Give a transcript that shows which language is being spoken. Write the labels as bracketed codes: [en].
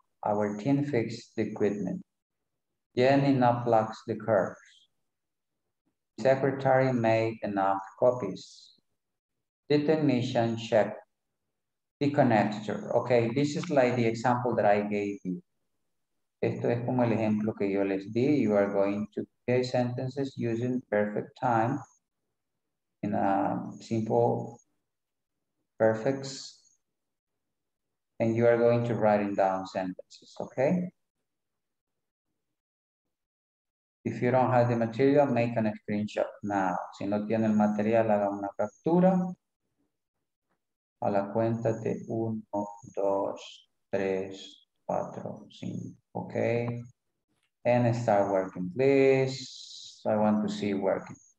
[en] Our team fixed the equipment. Jenny not blocks the curves. Secretary made enough copies. The technician checked the connector. Okay, this is like the example that I gave you. [es] Esto es como el ejemplo que yo les di. [en] You are going to create sentences using perfect time in a simple perfects. And you are going to write down sentences, okay? If you don't have the material, make an screenshot now. [es] Si no tiene el material, haga una captura. A la cuenta de 1, 2, 3, 4, 5. Okay. [en] And start working, please. I want to see working.